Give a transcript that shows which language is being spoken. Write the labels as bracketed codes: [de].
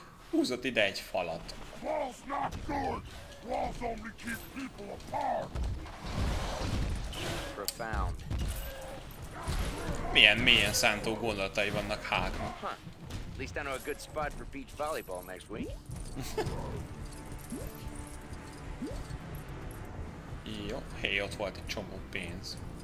[hu] Húzott ide egy falat. Milyen szántó gondolatai vannak Hulknak. [en] At least I know a good spot for beach volleyball next week. [hu] Jó, hely ott volt egy csomó pénz.